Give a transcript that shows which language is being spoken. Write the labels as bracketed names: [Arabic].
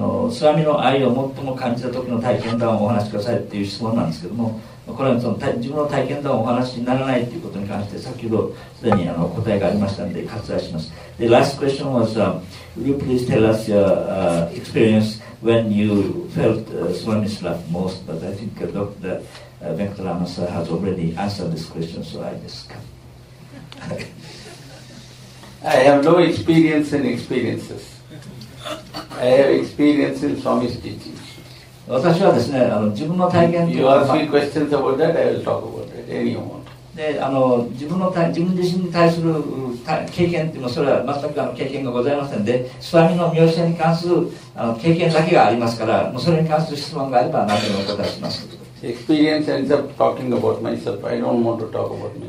[Japanese] スワミの愛を最も感じた時の体験談をお話しくださいっていう質問なんですけども、これはその自分の体験談をお話しにならないということに関して先ほどすでに答えがありましたので割愛します。 [English] The last question was, will you please tell us your experience when you felt Swami's love most? But I think Dr. Venkatarama sir has already answered this question, so I just come. I have no experience in experiences. I have experience in Swami's teachings. [Japanese] 私はですね、自分の体験と。 [English] You ask me questions about that, I will talk about it any amount. [Japanese] で、自分自身に対する経験というのは、それは全く経験がございませんで、スワミの名称に関する経験だけがありますから、もうそれに関する質問があれば何でもお答えします。 [English] Experience ends up talking about myself. I don't want to talk about myself.